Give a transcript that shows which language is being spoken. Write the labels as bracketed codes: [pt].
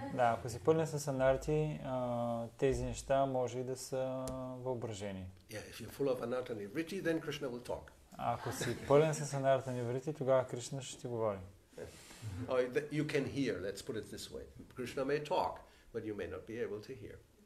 [bg] Да, ако си пълен с анартха, тези неща може и да са въображени. [en] Yeah, if you're full of anartha nivritti, then Krishna will talk. [bg] Ако си пълен с анартха нивритти, тогава Кришна ще ти говори. [en] Oh, you can hear, let's put it this way. Krishna may talk, but you may not be able to hear.